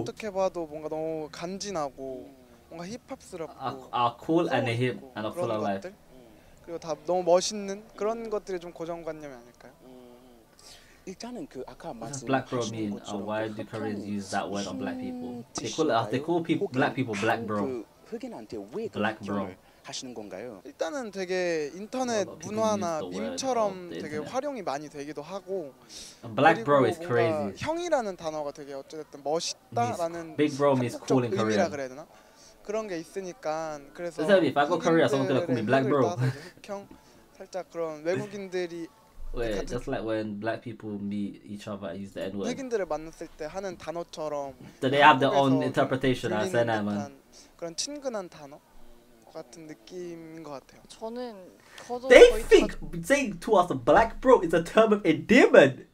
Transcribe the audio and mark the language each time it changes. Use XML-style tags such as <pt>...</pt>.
<ko>어떻게 봐도 뭔가 너무 간지나고 뭔가 힙합스럽고</ko> <en>아 cool and a hip and a full of life.</en> <ko>그리고 다 너무 멋있는 그런 것들이 좀 고정관념이 아닐까요? 일단은 그 아까 말씀하신 것처럼</ko> <en>why do Koreans use that word on black people? They call people black people black bro.</en> <ko>흑인한테 왜 그렇게 하시는 건가요? 일단은 되게 인터넷 문화나 밈처럼 되게 활용이 많이 되기도 하고</ko> <en>black bro is crazy.</en> <ko>형이라는 단어가 되게 어쨌든 멋있다라는</ko> <en>big bro is cool in Korean.</en> <ko>그런 게 있으니까 그래서</ko> <en>사실 if I go Korea someone could call me black bro.</en> <ko>형 살짝 그런 외국인들이</ko> <en>Wait, just like when black people meet each other, I use the N-word.</en> <ko>흑인들을 만났을 때 하는 단어처럼</ko> <en>Do they have their own interpretation as N-word?</en> <ko>그런 친근한 단어 같은 느낌인 것 같아요. 저는</ko> <en>They think saying to us black bro is a term of endearment.</en>